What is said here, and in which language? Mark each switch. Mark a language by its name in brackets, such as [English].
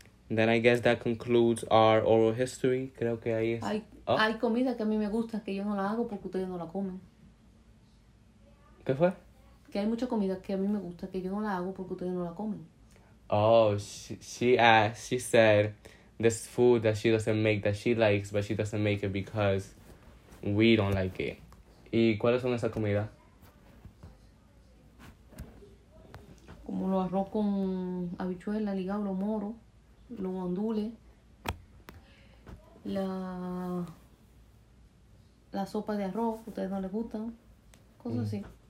[English] Then I guess that concludes our oral history. [Spanish] Creo que ahí es. Hay comida que a mí me gusta que yo no la hago porque ustedes no la comen. ¿Qué fue? Que hay mucha comida que a mí me gusta que yo no la hago porque ustedes no la comen. [English] Oh, she said this food that she doesn't make that she likes, but she doesn't make it because we don't like it. [Spanish] ¿Y cuáles son esas comidas? Como los arroz con habichuela, ligado, los moros. Los guandules, la sopa de arroz, ustedes no les gustan, cosas así.